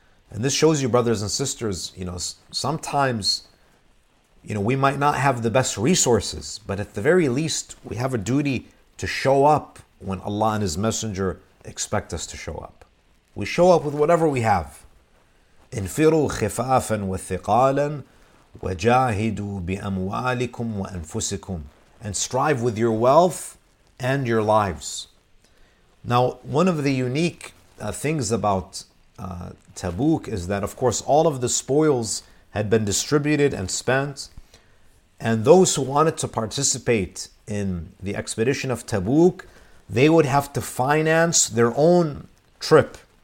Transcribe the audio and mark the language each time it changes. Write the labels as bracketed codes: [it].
[en] And this shows you, brothers and sisters, you know, sometimes, you know, we might not have the best resources, but at the very least, we have a duty to show up when Allah and His Messenger expect us to show up. We show up with whatever we have. [ar] انفروا خفافا وثقالا وجاهدوا بأموالكم وأنفسكم. [en] And strive with your wealth and your lives. Now, one of the unique things about Tabuk is that, of course, all of the spoils had been distributed and spent. And those who wanted to participate in the expedition of Tabuk, they would have to finance their own trip.